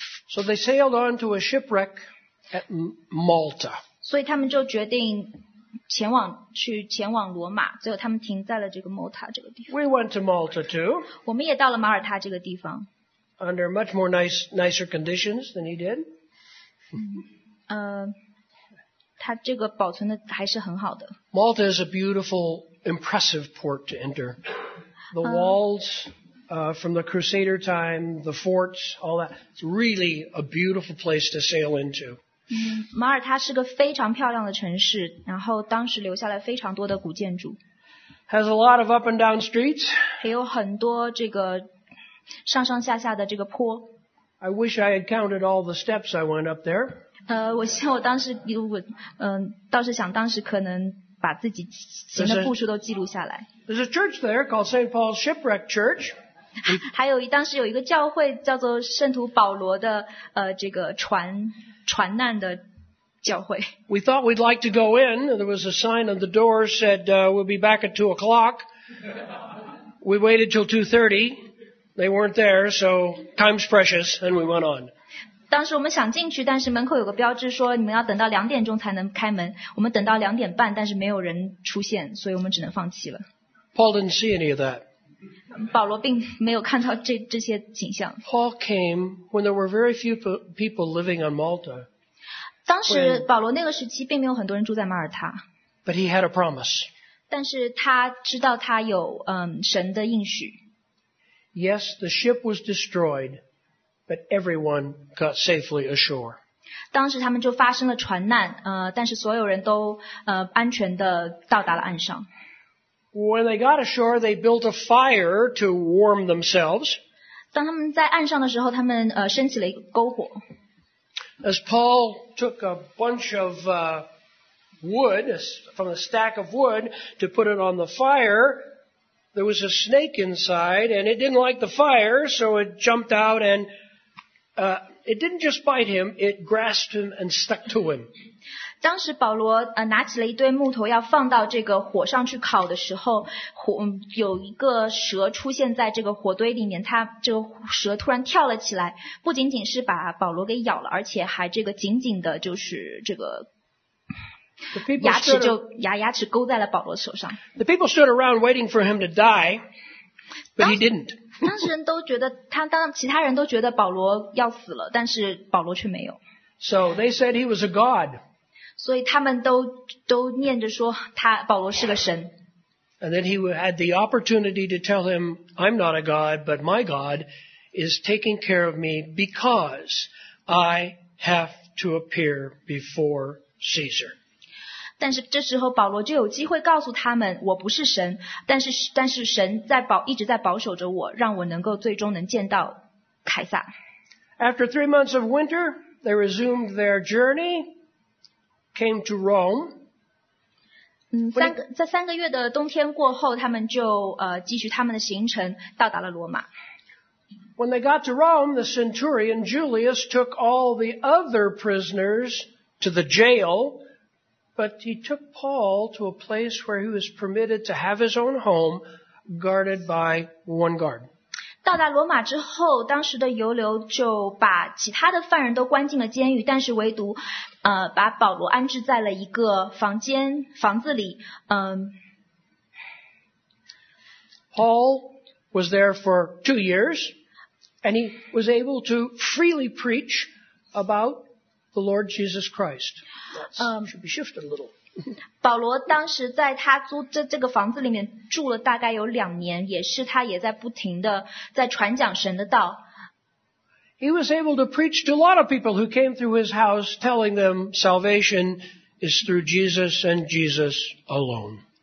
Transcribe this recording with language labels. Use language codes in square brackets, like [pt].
[en] So they sailed on to a shipwreck at Malta. [zh] 所以他们就决定前往去前往罗马，最后他们停在了这个 Malta 这个地方。 [en] We went to Malta too. [zh] 我们也到了马耳他这个地方。 [en] Under much more nicer conditions than he did. [zh] 他这个保存的还是很好的。 [en] Malta is a beautiful, impressive port to enter. The walls, from the Crusader time, the forts, all that. It's really a beautiful place to sail into. [zh] 马耳他是个非常漂亮的城市，然后当时留下了非常多的古建筑。 [en] Has a lot of up and down streets. [zh] 还有很多这个上上下下的这个坡。 [en] I wish I had counted all the steps I went up there. [zh] 我希望我当时我倒是想当时可能把自己行的步数都记录下来。 [en] There's a church there called St. Paul's Shipwreck Church. [zh] 还有当时有一个教会叫做圣徒保罗的这个船难的教会。 [en] We thought we'd like to go in. There was a sign on the door said, we'll be back at 2 o'clock. We waited till 2:30. They weren't there, so time's precious, and we went on. [zh] 当时我们想进去，但是门口有个标志说你们要等到2点钟才能开门。我们等到2点半，但是没有人出现，所以我们只能放弃了。 [en] Paul didn't see any of that. [zh] 保罗并没有看到这些景象。 [en] Paul came when there were very few people living on Malta. [zh] 当时保罗那个时期并没有很多人住在马耳他。 [en] But he had a promise. [zh] 但是他知道他有神的应许。 [en] Yes, the ship was destroyed, but everyone got safely ashore. [zh] 当时他们就发生了船难，但是所有人都安全地到达了岸上。 [en] When they got ashore, they built a fire to warm themselves. [zh] 当他们在岸上的时候，他们升起了一个篝火。 [en] As Paul took a bunch of wood from a stack of wood to put it on the fire,There was a snake inside, and it didn't like the fire, so it jumped out, and it didn't just bite him, it grasped him and stuck to him. [zh] 当时保罗拿起了一堆木头要放到这个火上去烤的时候，有一个蛇出现在这个火堆里面，它这个蛇突然跳了起来，不仅仅是把保罗给咬了，而且还这个紧紧的就是这个牙齿勾在了保罗手上。 [en] The people stood around waiting for him to die, but he didn't. [zh] 当时人都觉得他，当其他人都觉得保罗要死了，但是保罗却没有。 [en] So they said he was a god. [zh] 所以他们都念着说他保罗是个神。 [en] And then he had the opportunity to tell him, "I'm not a god, but my God is taking care of me because I have to appear before Caesar." [zh] 但是这时候保罗就有机会告诉他们我不是神，但是神一直在保守着我，让我能够最终能见到凯撒。 [en] After 3 months of winter, they resumed their journey, came to Rome. [zh] 在三个月的冬天过后，他们就继续他们的行程，到达了罗马。 [en] When they got to Rome, the centurion Julius took all the other prisoners to the jail. But he took Paul to a place where he was permitted to have his own home, guarded by one guard. [zh] 到达罗马之后，当时的犹流就把其他的犯人都关进了监狱，但是唯独，把保罗安置在了一个房子里。 [en] Paul was there for 2 years, and he was able to freely preach about. The Lord Jesus Christ. Should be shifted a little. [zh] 保罗当时在他租这个房子里面住了大概有2年，也是他也在不停的在传讲神的道。 [en] He was able to preach to a lot of people who came through his house, telling them salvation is through Jesus and Jesus alone.